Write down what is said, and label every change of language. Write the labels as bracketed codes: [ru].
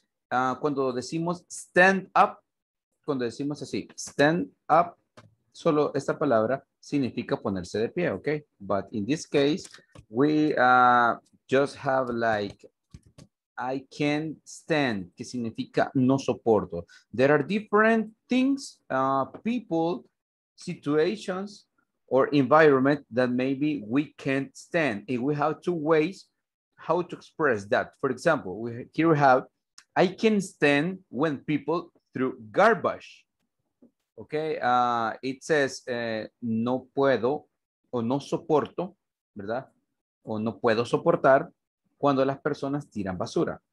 [es] Cuando decimos stand up, cuando decimos así, stand up, solo esta palabra significa ponerse de pie, okay? [en] But in this case, we just have like I can't stand, [es] que significa no soporto. [en] There are different things, people, situations, or environment that maybe we can't stand. And we have two ways how to express that. For example, we, here we have, I can't stand when people throw garbage. Okay, it says, [es] no puedo o no soporto, ¿verdad? O no puedo soportar cuando las personas tiran basura.